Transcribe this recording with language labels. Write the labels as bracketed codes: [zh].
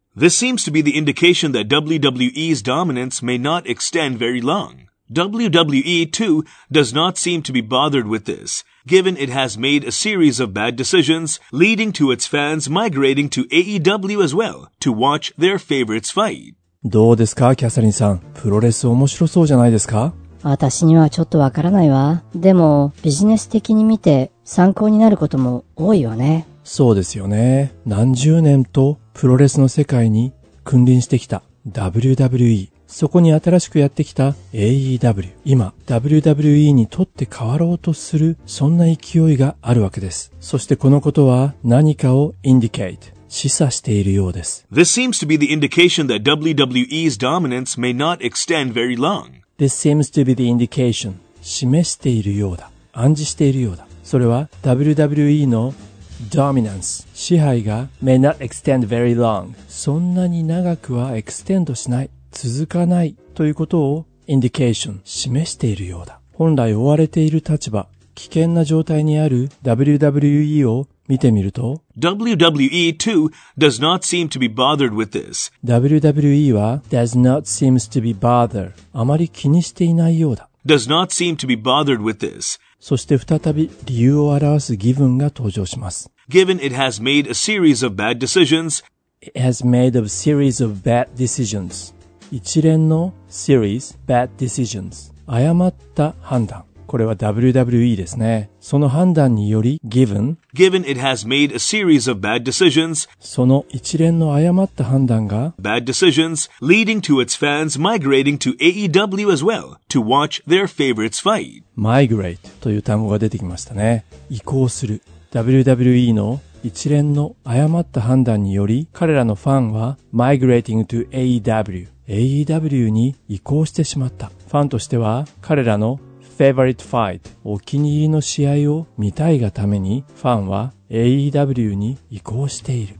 [en] This seems to be the indication that WWE's dominance may not extend very long. WWE, too, does not seem to be bothered with this, given it has made a series of bad decisions, leading to its fans migrating to AEW as well to watch their favorites fight. [ja] どうですか、キャサリンさん。プロレス面白そうじゃないですか? 私にはちょっとわからないわ。でもビジネス的に見て参考になることも多いわね。そうですよね。何十年とプロレスの世界に君臨してきた WWE。そこに新しくやってきた AEW。今 WWE にとって変わろうとするそんな勢いがあるわけです。そしてこのことは何かをインディケイト。示唆しているようです。 [en] This seems to be the indication that WWE's dominance may not extend very long. This seems to be the indication. [ja] 示しているようだ。暗示しているようだ。それは [en] WWE の dominance [ja] 支配が [en] may not extend very long. [ja] そんなに長くは extend しない。続かない。ということを indication 示しているようだ。本来追われている立場、危険な状態にある WWE を見てみると [en] WWE too does not seem to be bothered with this. WWE は does not seems to be bothered. [ja] あまり気にしていないようだ。 [en] does not seem to be bothered with this. [ja] そして再び理由を表す義文が登場します。 [en] given it has made a series of bad decisions. it has made a series of bad decisions. [ja] 一連の [en] series, bad decisions. [ja] 誤った判断。これは WWE ですね。その判断により given [en] it has made a series of bad decisions [ja] その一連の誤った判断が [en] bad decisions leading to its fans migrating to AEW as well to watch their favorites fight [ja] migrate という単語が出てきましたね。移行する WWE の一連の誤った判断により彼らのファンは [en] migrating to AEW [ja] に移行してしまった。ファンとしては彼らの [en] Favorite fight. [ja] お気に入りの試合を見たいがためにファンは AEW に移行している。